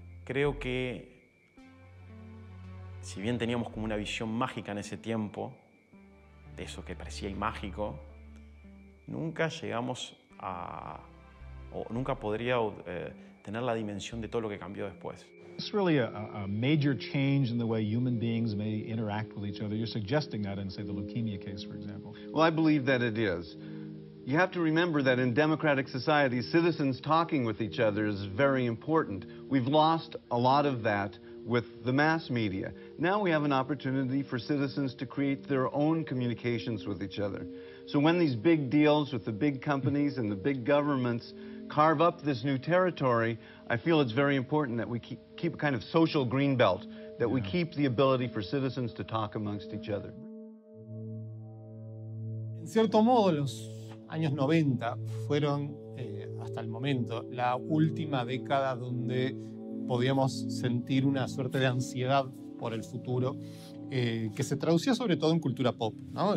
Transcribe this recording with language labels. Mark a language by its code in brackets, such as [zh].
[es] creo que, si bien teníamos como una visión mágica en ese tiempo, de eso que parecía y mágico, nunca llegamos a... o nunca podría tener la dimensión de todo lo que cambió después. [en] It's really a major change in the way human beings may interact with each other. You're suggesting that in, say, the leukemia case, for example. Well, I believe that it is. You have to remember that in democratic societies, citizens talking with each other is very important. We've lost a lot of that with the mass media. Now we have an opportunity for citizens to create their own communications with each other. So when these big deals with the big companies and the big governments carve up this new territory, I feel it's very important that we keep a kind of social green belt, that we keep the ability for citizens to talk amongst each other. [es] En cierto modo, los años 90 fueron, hasta el momento, la última década donde podíamos sentir una suerte de ansiedad por el futuro, que se traducía sobre todo en cultura pop, ¿no?